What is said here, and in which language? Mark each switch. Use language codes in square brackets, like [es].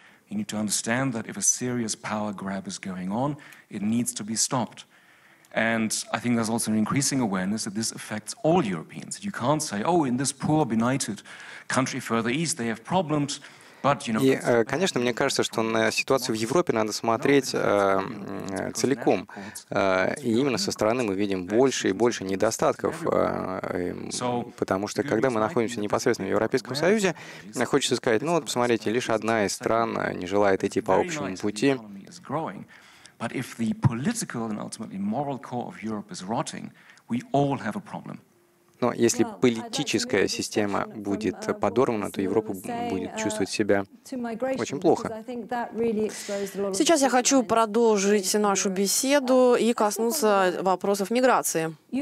[en] You need to understand that if a serious power grab is going on, it needs to be stopped. And I think there's also an increasing awareness that this affects all Europeans. You can't say, oh, in this poor, benighted country further east, they have problems. [ru] И, конечно, мне кажется, что на ситуацию в Европе надо смотреть целиком. И именно со стороны мы видим больше и больше недостатков, потому что, когда мы находимся непосредственно в Европейском Союзе, хочется сказать, ну вот, посмотрите, лишь одна из стран не желает идти по общему пути. [en] But if the political and ultimately moral core of Europe is rotting, we all have a problem. [ru] Но если политическая система будет подорвана, то Европа будет чувствовать себя очень плохо. Сейчас я хочу продолжить нашу беседу и коснуться вопросов миграции.